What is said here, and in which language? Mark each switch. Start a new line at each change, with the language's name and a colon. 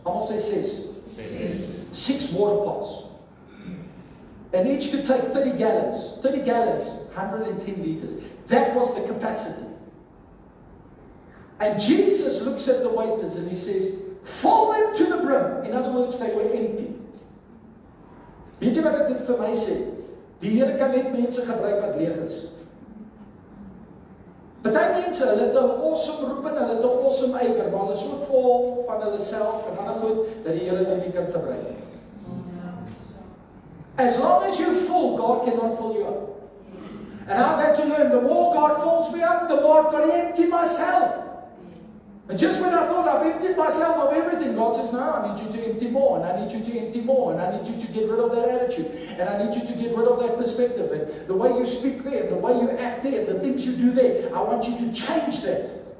English: I'm going to say 6. 6 water pots. And each could take 30 gallons. 30 gallons, 110 liters. That was the capacity. And Jesus looks at the waiters and he says, fill them to the brim. In other words, they were empty.
Afrikaans: Weet jy wat ek dit vir my sê? Die Here kan net mense gebruik wat leeg is. Party mense, hulle het 'n awesome roeping, hulle het 'n awesome ywer, maar hulle is so vol van hulle self en ander goed dat die Here hulle nie kan gebruik nie.
English: As long as you're full, God cannot fill you up. And I've had to learn, the more God fills me up, the more I've got to empty myself. And just when I thought I've emptied myself of everything, God says, no, I need you to empty more, and I need you to empty more, and I need you to get rid of that attitude, and I need you to get rid of that perspective, and the way you speak there, the way you act there, the things you do there, I want you to change that.